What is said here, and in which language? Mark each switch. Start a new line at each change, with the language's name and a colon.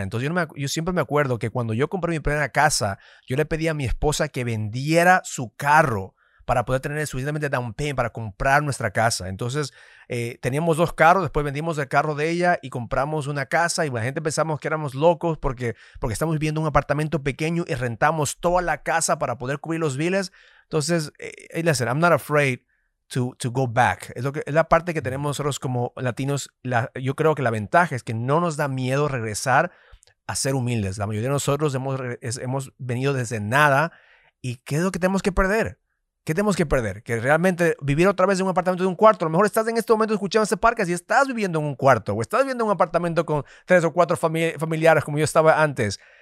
Spanish: Entonces yo siempre me acuerdo que cuando yo compré mi primera casa, yo le pedí a mi esposa que vendiera su carro para poder tener suficientemente down payment para comprar nuestra casa. Entonces, teníamos 2 carros, después vendimos el carro de ella y compramos una casa. Y la gente pensamos que éramos locos porque estamos viviendo un apartamento pequeño y rentamos toda la casa para poder cubrir los biles. Entonces,
English: listen, I'm not afraid to go back.
Spanish: Es la parte que tenemos nosotros como latinos. Yo creo que la ventaja es que no nos da miedo regresar a ser humildes. La mayoría de nosotros hemos venido desde nada. ¿Y qué es lo que tenemos que perder? ¿Qué tenemos que perder? Que realmente vivir otra vez en un apartamento de un cuarto. A lo mejor estás en este momento escuchando este podcast y estás viviendo en un cuarto o estás viviendo en un apartamento con 3 o 4 familiares como yo estaba antes.